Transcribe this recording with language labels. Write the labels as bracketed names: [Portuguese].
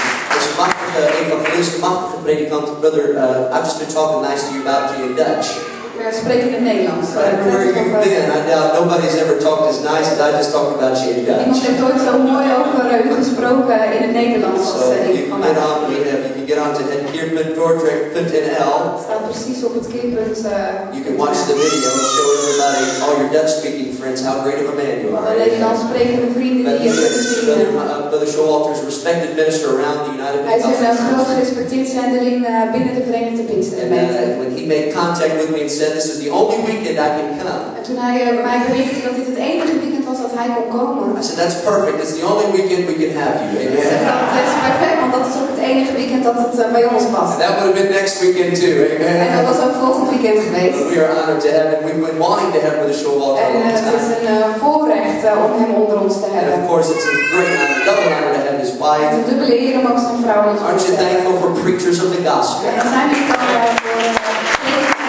[Dutch] Dat is een machtige evangelist, een machtige predikant. [English] Brother, I've just been talking nicely about you in Dutch. [Dutch] Spreken in het Nederlands. [English] Where have you been? Nobody's ever talked as nice as I just talked about you in Dutch. [Dutch] Iemand heeft ooit zo mooi over u gesproken in het Nederlands. [English] So you can get on to het keerpunt.nl. [Dutch] Staat precies op het keerpunt. [English] You can watch the video and show everybody, all your Dutch speaking friends, how great of a man you are. [Dutch] Nederlands sprekende vrienden die je kunt zien. [English] Brother Showalter is a respected minister around the United States. [Dutch] Hij is een groot gerespecteerd zendeling binnen de Verenigde Pinkstergemeente. [English] When he made contact with me and said, this is the only weekend I can come. [Dutch] En toen hij mij berichtte dat dit het enige weekend was dat hij kon komen. [English] I said, that's perfect. It's the only weekend we can have you. Amen. [Dutch] Dat is perfect, want dat is ook het enige weekend dat het bij ons past. [English] That would have been next weekend too. Amen. [Dutch] En dat was ook volgend weekend geweest. [English] We are honored to have him. We've been wanting to have him with a show walk. [Dutch] En het is een voorrecht om hem onder ons te hebben. [English] And of course, it's a great honor, double honor to have his wife. [Dutch] Het is een dubbele eer om ook zijn vrouw onder ons te hebben. [English] Aren't you thankful for preachers of the gospel? [Dutch] En zijn jullie dankbaar voor.